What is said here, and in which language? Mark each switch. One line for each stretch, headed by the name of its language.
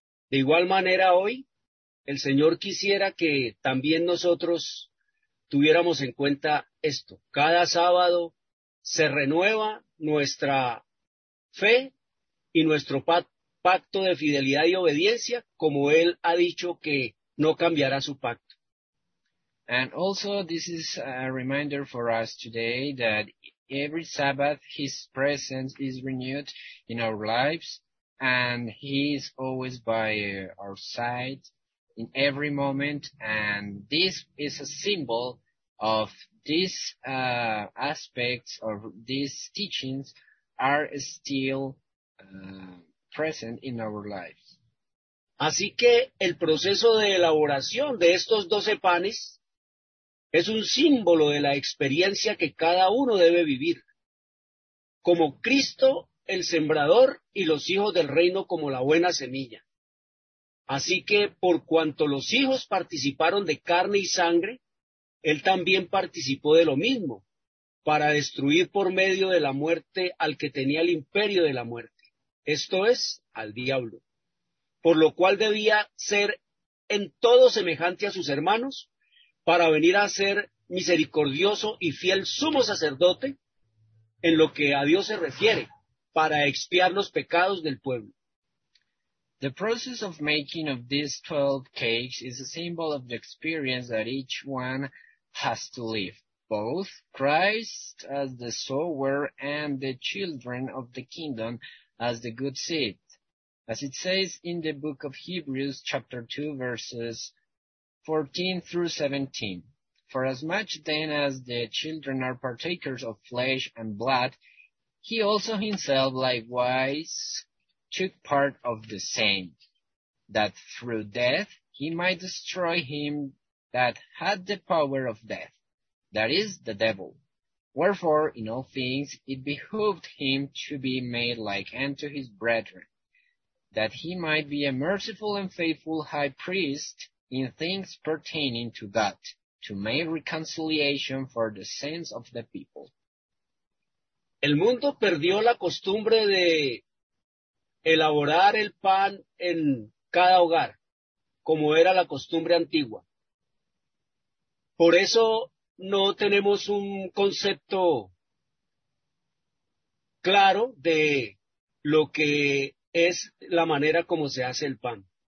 Spanish: De igual manera hoy, el Señor quisiera que también nosotros tuviéramos en cuenta esto. Cada sábado se renueva nuestra fe y nuestro pacto de fidelidad y obediencia, como él ha dicho que no cambiará su pacto.
English: And also, this is a reminder for us today that every Sabbath his presence is renewed in our lives, and he is always by our side in every moment, and this is a symbol of these aspects of these teachings are still present in our lives.
Spanish: Así que el proceso de elaboración de estos 12 panes es un símbolo de la experiencia que cada uno debe vivir, como Cristo el sembrador y los hijos del reino como la buena semilla. Así que por cuanto los hijos participaron de carne y sangre, él también participó de lo mismo, para destruir por medio de la muerte al que tenía el imperio de la muerte, esto es, al diablo, por lo cual debía ser en todo semejante a sus hermanos, para venir a ser misericordioso y fiel sumo sacerdote, en lo que a Dios se refiere, para expiar los pecados del pueblo.
English: The process of making of these 12 cakes is a symbol of the experience that each one has to live, both Christ as the sower and the children of the kingdom as the good seed. As it says in the book of Hebrews, chapter 2, verses 14 through 17, for as much then as the children are partakers of flesh and blood, he also himself likewise took part of the same, that through death he might destroy him that had the power of death, that is, the devil. Wherefore, in all things, it behooved him to be made like unto his brethren, that he might be a merciful and faithful high priest in things pertaining to God, to make reconciliation for the sins of the people.
Spanish: El mundo perdió la costumbre de elaborar el pan en cada hogar, como era la costumbre antigua. Por eso no tenemos un concepto claro de lo que es la manera como se hace el pan.